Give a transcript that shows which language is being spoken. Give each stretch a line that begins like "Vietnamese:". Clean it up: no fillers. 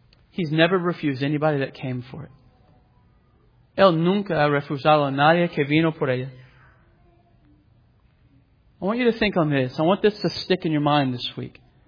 English: He's never refused anybody that came for it.
Spanish: Él nunca ha refusado a nadie que vino por ella.
English: I want you to think on this. I want this to stick in your mind this week.